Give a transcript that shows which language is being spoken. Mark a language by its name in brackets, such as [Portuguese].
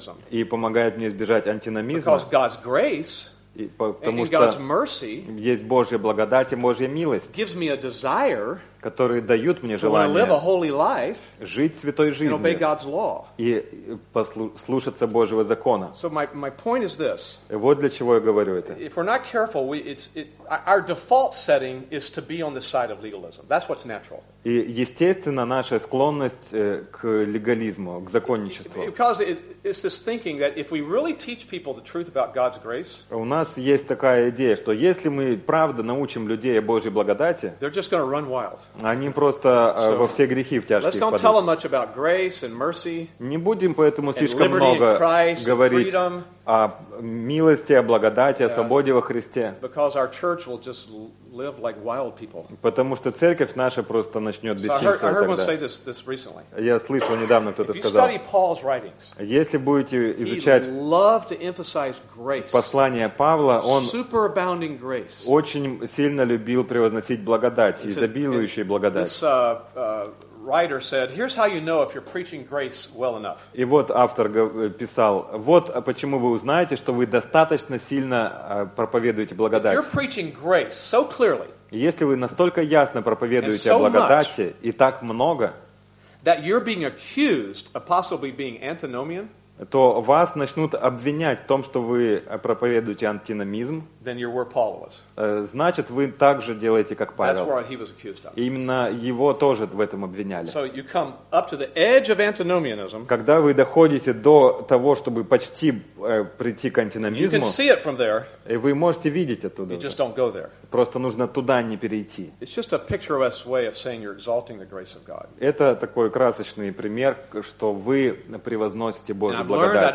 [Russian] И помогает мне избежать антиномизма. И потому что есть Божья благодать и Божья милость, которые дают мне желание жить святой жизнью и слушаться Божьего закона. И вот для чего я говорю это. [English] If we're not careful, our default setting is to be on the side of legalism. That's what's natural. [Russian] И естественно наша склонность к легализму, к законничеству. [English] Because it's this thinking that if we really teach people the truth about God's grace, [Russian] у нас есть такая идея, что если мы правда научим людей о Божьей благодати, [English] they're just going to run wild. [Russian] Они просто во все грехи в тяжкие впадут. [English] Let's don't tell them much about grace and mercy. [Russian] Не будем поэтому слишком много говорить о милости, о благодати, о свободе во Христе. [English] Because our church will just live like wild people. [Russian] Потому что церковь наша просто начнет бесчинствовать тогда. [English] I heard one say this recently. [Russian] Я слышал недавно, кто-то сказал. [English] If you study Paul's writings, [Russian] если будете изучать [English] love to emphasize grace, [Russian] послание Павла, он [English] super abounding grace. [Russian] Очень сильно любил превозносить благодать, изобилующую благодать. [English] Writer said, "Here's how you know if you're preaching grace well enough." [Russian] И вот автор писал: вот почему вы узнаете, что вы достаточно сильно проповедуете благодать. [English] If you're preaching grace so clearly, [Russian] если вы настолько ясно проповедуете о благодати и так много, [English] that you're being accused of possibly being antinomian, [Russian] то вас начнут обвинять в том, что вы проповедуете антиномизм, значит, вы так же делаете, как Павел. Именно его тоже в этом обвиняли. [English] So you come up to the edge of antinomianism, [Russian] когда вы доходите до того, чтобы почти прийти к антиномизму, [English] you can see it from there, [Russian] и вы можете видеть оттуда. [English] You just don't go there. [Russian] Просто нужно туда не перейти. [English] It's just a picturesque way of saying you're exalting the grace of God. [Russian] Это такой красочный пример, что вы превозносите Божью благодать.